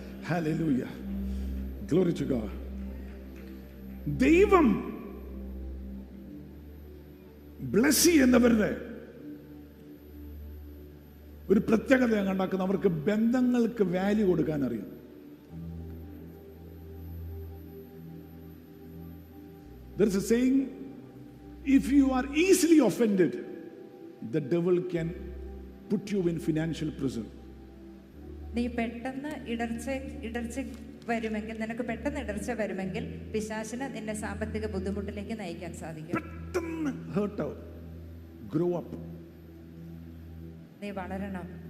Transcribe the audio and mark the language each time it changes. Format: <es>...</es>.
<ml>Hallelujah,</ml> <en>Glory to God.</en> <ml>ദൈവം bless ചെയ്യുന്നവരുടെ ഒരു പ്രത്യേകത ഞാൻ കണ്ടാക്കുന്നു. അവർക്ക് ബന്ധങ്ങൾക്ക് വാല്യൂ കൊടുക്കാൻ അറിയാം.</ml> <en>There is a saying, if you are easily offended, the devil can put you in financial prison.</en> <ml>നീ പെട്ടെന്ന് ഇടർച്ച വരുമെങ്കിൽ, നിനക്ക് പെട്ടെന്ന് ഇടർച്ച വരുമെങ്കിൽ പിശാചന നിന്നെ സാമ്പത്തിക ബുദ്ധിമുട്ടിലേക്ക് നയിക്കാൻ സാധിക്കും. പെട്ടെന്ന്</ml> <en>hurt out, grow up.</en> <ml>നീ വളരണം.</ml>